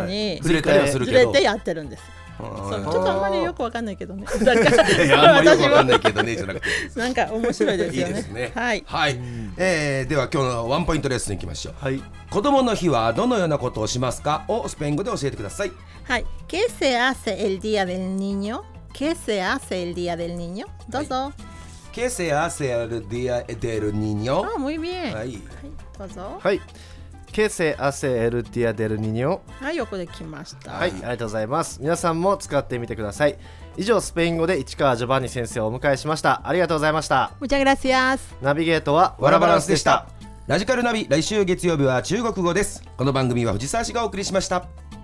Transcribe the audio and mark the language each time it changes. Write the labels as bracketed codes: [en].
[ja] はい、ずれたりはするけど、ずれてやってるんです。そう、ちょっとあんまりよくわかんないけどね、だからいや、あんまりよくわかんないけどねじゃなくてなんか面白いですよね。いいですね、はい、はい、では今日のワンポイントレッスンいきましょう。はい、子供の日はどのようなことをしますかをスペイン語で教えてください。 [es] はい、¿Qué se hace el día del niño? ¿Qué se hace el día del niño? [ja] どうぞ。 [es] ¿Qué se hace el día del niño? あ、muy bien。 [ja] はい、どうぞ。はい、ケセアセエルティアデルニニオ、はい、横で来ました。はい、ありがとうございます。皆さんも使ってみてください。以上、スペイン語で市川ジョバンニ先生をお迎えしました。ありがとうございました。ムチャグラシアス。ナビゲートはワラバランスでした。ラジカルナビ、来週月曜日は中国語です。この番組は藤沢市がお送りしました。